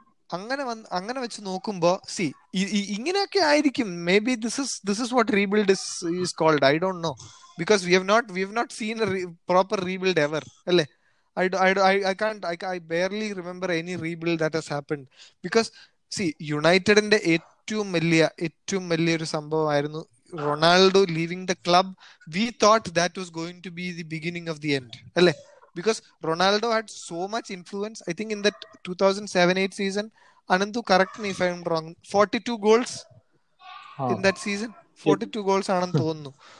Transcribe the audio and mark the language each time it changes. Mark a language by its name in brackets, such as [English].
[Malayalam] അങ്ങനെ വന്ന് അങ്ങനെ വെച്ച് നോക്കുമ്പോ സി ഇങ്ങനെയൊക്കെ ആയിരിക്കും. [English] maybe this is what rebuild is called, I don't know, because we have not seen proper rebuild ever [Malayalam] അല്ലേ. [English] I barely remember any rebuild that has happened. Because, see, United-ന്റെ [Malayalam] ഏറ്റവും വലിയൊരു സംഭവമായിരുന്നു [English] Ronaldo leaving the club. We thought that was going to be the beginning of the end [Malayalam] അല്ലേ, [English] Because Ronaldo had so much influence. I think in that 2007-08 season, Ananthu correct me if I'm wrong, 42 goals in that season, 42 goals [Malayalam] ആണെന്ന് തോന്നുന്നു.